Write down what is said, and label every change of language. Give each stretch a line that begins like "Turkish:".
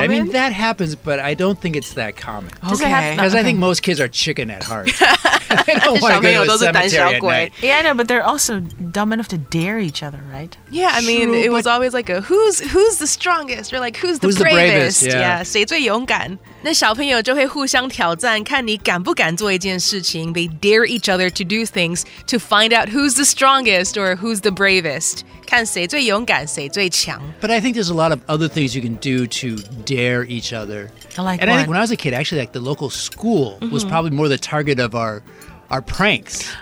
English: I mean, that happens, but I don't think it's that common. Okay. Because I think most kids are chicken at heart. I don't want to go to a cemetery at night. Yeah, I know, but they're also dumb enough to dare each other, right? Yeah, I mean, true, it was always like a who's the strongest? Or like who's the bravest? Yeah.
Chinese: 谁最勇敢? 那小朋友就会互相挑战, 看你敢不敢做一件事情
English: They dare each other to do things to find out who's the strongest or who's the bravest
Chinese: 看谁最勇敢谁最强
English: But I think there's a lot of other things you can do to dare each other like And、 I think when I was a kid, actually, like, the local school、mm-hmm. was probably more the target of our pranks、